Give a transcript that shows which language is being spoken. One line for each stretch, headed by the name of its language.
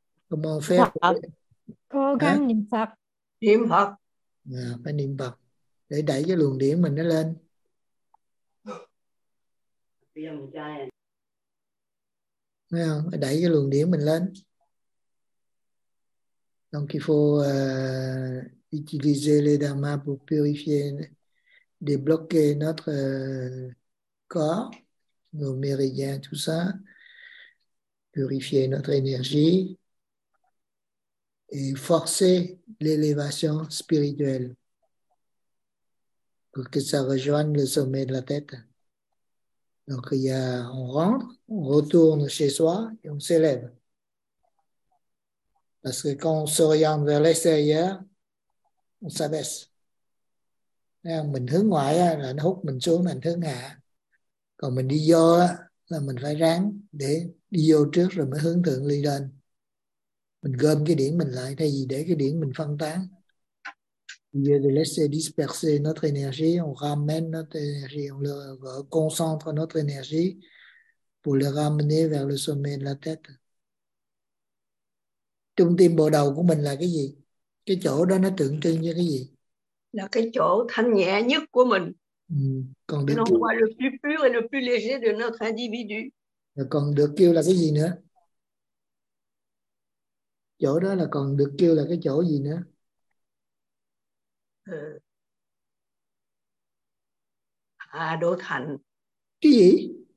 Vietnamese: Không bằng phép. Cố gắng niệm Phật. Niệm Phật. À, phải niệm Phật. Để đẩy cái luồng điển mình nó lên. Nghe không? Phải đẩy cái luồng điển mình lên.
French: Donc il faut utiliser les dharma pour purifier, débloquer notre corps, nos méridiens, tout ça. Purifier notre énergie. Et forcer l'élévation spirituelle pour que ça rejoigne le sommet de la tête. Donc, on rentre, on retourne chez soi et on s'élève. Parce que quand on s'oriente vers l'extérieur, on s'abaisse.
Vietnamese: Mình hướng ngoại là nó hút mình xuống thành hướng hạ. Còn mình đi vô, là mình phải ráng để đi vô trước rồi mới hướng thượng ly lên. Mình gom cái điểm mình lại thay vì để cái điểm mình phân tán.
French: Lieu de laisser disperser notre énergie, on ramène notre énergie, on le concentre notre énergie pour le ramener vers le sommet de la tête.
Vietnamese: Trung tâm bộ đầu của mình là cái gì? Cái chỗ đó nó tượng trưng cho cái gì? Là cái chỗ thanh nhẹ nhất của mình. Còn được kêu...
French: le plus pur et le plus léger de notre individu.
Vietnamese: Là còn được kêu là cái gì nữa? Chỗ đó là còn được kêu là cái chỗ gì nữa? Hạ đồ thành. Cái gì?